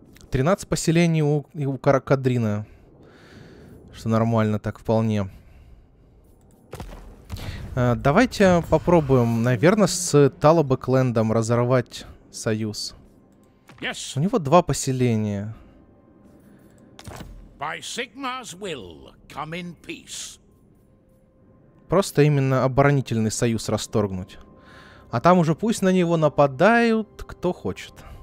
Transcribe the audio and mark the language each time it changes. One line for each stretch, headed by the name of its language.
Russian: 13 поселений у Каракадрина. Что нормально так вполне. Давайте попробуем, наверное, с Талабек-клендом разорвать союз. Yes. У него 2 поселения.
English: By Sigma's will, come in peace.
Russian: Просто именно оборонительный союз расторгнуть. А там уже пусть на него нападают, кто хочет.